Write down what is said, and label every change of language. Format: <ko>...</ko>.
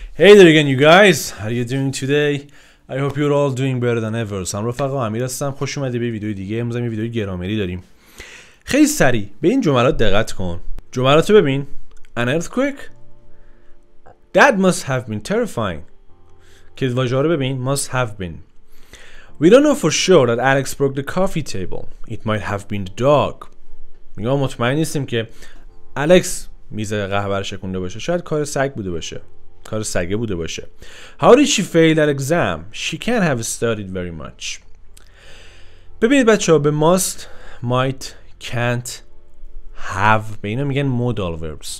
<en>Hey there again you guys, how are you doing today? I hope you're all doing better than ever.</en> <fa>سلام رفقا، امیر هستم. خوش اومدید به ویدیوی دیگه. امروز هم یه ویدیوی گرامری داریم. خیلی سریع به این جملات دقت کن. جملاتو ببین.</fa> <en>An earthquake? That must have been terrifying.</en> <fa>که واژه رو ببین.</fa> <en>Must have been. We don't know for sure that Alex broke the coffee table. It might have been the dog.</en> <fa>میگم مطمئن نیستیم که الکس میز قهوه رو شکونده باشه. شاید کار سگ بوده باشه. کار سگه بوده باشه.</fa> <en>How did she fail that exam? She can't have studied very much.</en> <fa>ببینید بچه ها، به must, might, can't, have، به اینا میگن modal verbs.</fa>